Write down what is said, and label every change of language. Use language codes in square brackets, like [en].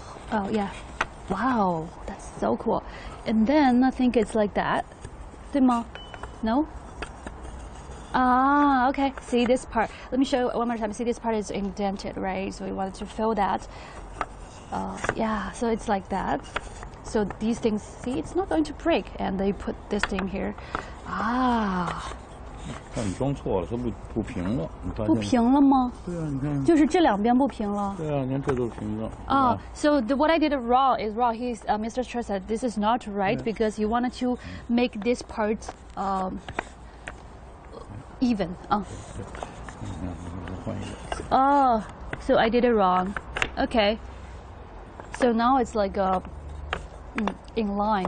[en] Oh, yeah. Wow, that's so cool. And then I think it's like that. [zh] 对吗? [en] No? Ah, okay. See this part. Let me show you one more time. See this part is indented, right? So we wanted to feel that. Yeah, so it's like that. So these things, see, it's not going to break. And they put this thing here. Ah, [zh] 看你装错了，它不平了，你发现不平了吗？对啊，你看，就是这两边不平了。对啊，你看这都是平的。 [en] 啊、so what I did wrong is wrong. He's Mr. Chu said this is not right because you wanted to make this part even. 啊、 [zh] 换一个。 [en] Oh, so I did it wrong. Okay. So now it's like a, in line.